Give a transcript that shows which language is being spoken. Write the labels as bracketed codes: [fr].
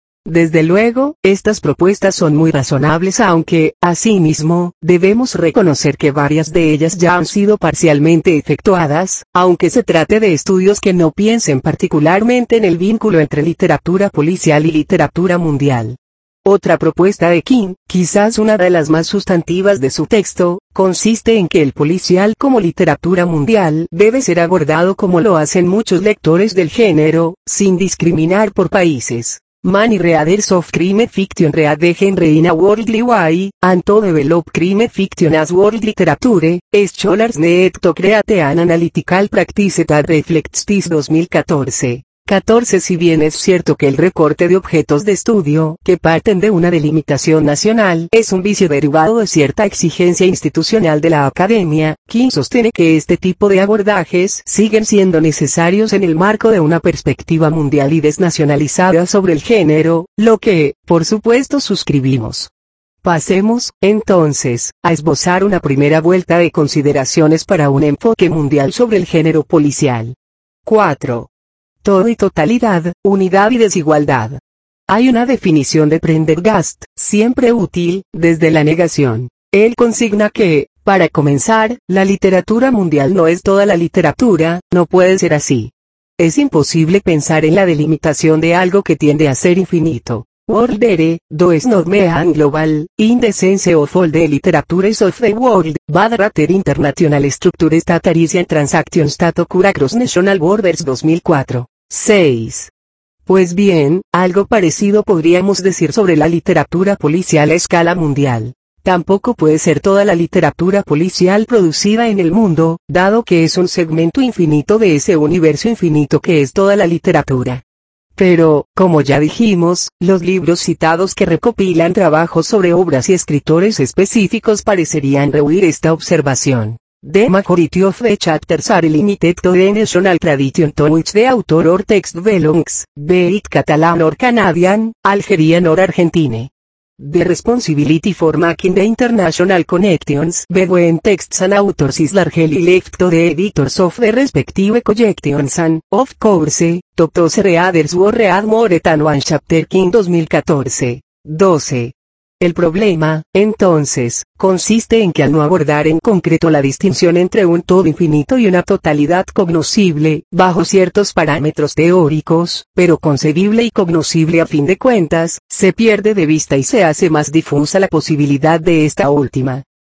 [es] Desde luego, estas propuestas son muy razonables aunque, asimismo, debemos reconocer que varias de ellas ya han sido parcialmente efectuadas, aunque se trate de estudios que no piensen particularmente en el vínculo entre literatura policial y literatura mundial. Otra propuesta de King, quizás una de las más sustantivas de su texto, consiste en que el policial como literatura mundial debe ser abordado como lo hacen muchos lectores del género, sin discriminar por países. [en] Many readers of crime fiction read the genre in a worldly way, and to develop crime fiction as world literature, scholars need to create an analytical practice that reflects this 2014. [es] 14 Si bien es cierto que el recorte de objetos de estudio, que parten de una delimitación nacional, es un vicio derivado de cierta exigencia institucional de la academia, King sostiene que este tipo de abordajes siguen siendo necesarios en el marco de una perspectiva mundial y desnacionalizada sobre el género, lo que, por supuesto, suscribimos. Pasemos, entonces, a esbozar una primera vuelta de consideraciones para un enfoque mundial sobre el género policial. 4. Todo y totalidad, unidad y desigualdad. Hay una definición de Prendergast, siempre útil, desde la negación. Él consigna que, para comenzar, la literatura mundial no es toda la literatura, no puede ser así. Es imposible pensar en la delimitación de algo que tiende a ser infinito. [en] Worldere, does not mean global, in the sense of all the literatures of the world, but rather international structures that arise in transactions that occur across national borders 2004. [es] 6. Pues bien, algo parecido podríamos decir sobre la literatura policial a escala mundial. Tampoco puede ser toda la literatura policial producida en el mundo, dado que es un segmento infinito de ese universo infinito que es toda la literatura. Pero, como ya dijimos, los libros citados que recopilan trabajos sobre obras y escritores específicos parecerían rehuir esta observación. [en] The majority of the chapters are limited to the national tradition to which the author or text belongs, be it Catalan or Canadian, Algerian or Argentine. The responsibility for making the international connections between texts and authors is largely left to the editors of the respective collections and, of course, to those readers who read more than one chapter King 2014. [es] 12. El problema, entonces, consiste en que al no abordar en concreto la distinción entre un todo infinito y una totalidad cognoscible, bajo ciertos parámetros teóricos, pero concebible y cognoscible a fin de cuentas, se pierde de vista y se hace más difusa la posibilidad de esta última.